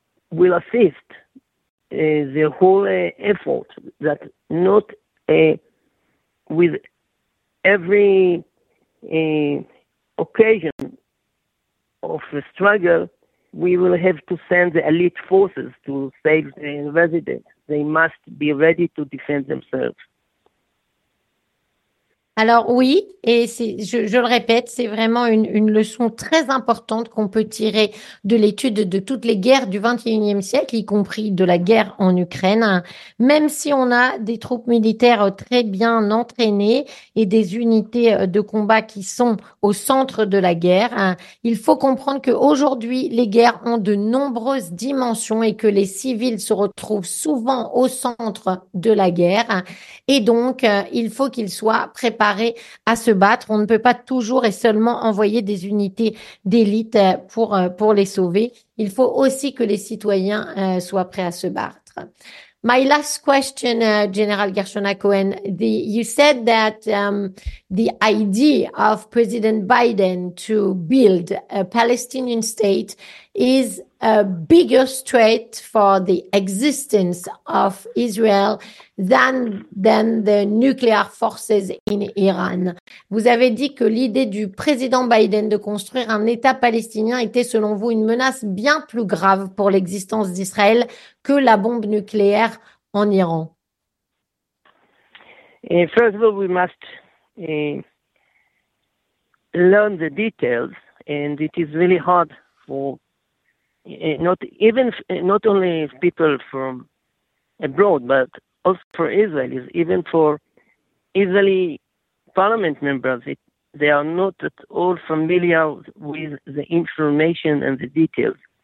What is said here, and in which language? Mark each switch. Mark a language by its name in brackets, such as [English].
[English] will assist the whole effort, that not with every occasion of the struggle, we will have to send the elite forces to save the residents. They must be ready to defend themselves. [French] Alors oui, et je le répète, c'est vraiment une leçon très importante qu'on peut tirer de l'étude de toutes les guerres du XXIe siècle, y compris de la guerre en Ukraine. Même si on a des troupes militaires très bien entraînées et des unités de combat qui sont au centre de la guerre, il faut comprendre qu'aujourd'hui, les guerres ont de nombreuses dimensions et que les civils se retrouvent souvent au centre de la guerre. Et donc, il faut qu'ils soient préparés à se battre. On ne peut pas toujours et seulement envoyer des unités d'élite pour les sauver. Il faut aussi que les citoyens soient prêts à se battre. [English] My last question, General Gershon-Hacohen, you said that the idea of President Biden to build a Palestinian state is a bigger threat for the existence of Israel than the nuclear forces in Iran. [French] Vous avez dit que l'idée du président Biden de construire un État palestinien était selon vous une menace bien plus grave pour l'existence d'Israël que la bombe nucléaire en Iran. [English] First of all, we must learn the details, and it is really hard for not only people from abroad, but also for Israelis, even for Israeli parliament members, they are not at all familiar with the information and the details.